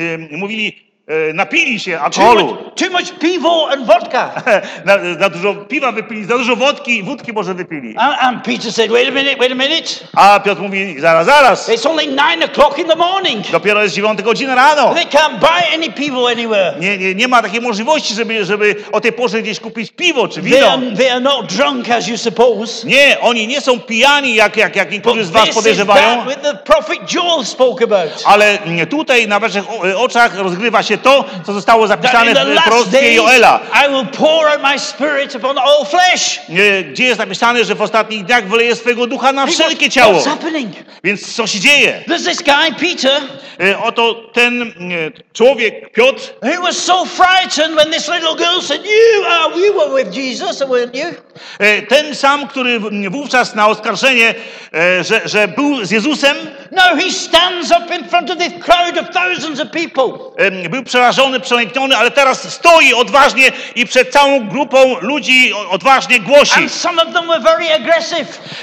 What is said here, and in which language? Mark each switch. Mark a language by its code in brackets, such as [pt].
[pl] Mówili, napili się alkoholu. [en] Too much piwo and vodka. [pl] Za dużo piwa wypili, za dużo wódki może wypili. [en] And Peter said, wait a minute. [pl] A Piotr mówi, zaraz. [en] It's only 9:00 in the morning. [pl] Dopiero jest 9 godzina rano. [en] They can't buy any piwo anywhere. [pl] Nie ma takiej możliwości, żeby o tej porze gdzieś kupić piwo czy wino. [en] They are not drunk as you suppose. [pl] Nie, oni nie są pijani, jak niektórzy z was podejrzewają. [en] But this is that with the prophet Joel spoke about. [pl] Ale tutaj na waszych oczach rozgrywa się to, co zostało zapisane w proroctwie Joela. [en] I will pour out my spirit upon all flesh. [pl] Gdzie jest napisane, że w ostatnich dniach wyleje swego ducha na wszelkie ciało. [en] What's happening? [pl] Więc co się dzieje? [en] There's this guy, Peter. [pl] Oto ten człowiek, Piotr. [en] He was so frightened when this little girl said, you were with Jesus, weren't you? [pl] Ten sam, który wówczas na oskarżenie, że był z Jezusem. [en] No, he stands up in front of this crowd of thousands of people. [pl] Był przerażony, przelękniony, ale teraz stoi odważnie i przed całą grupą ludzi odważnie głosi. [en] And some of them were very aggressive.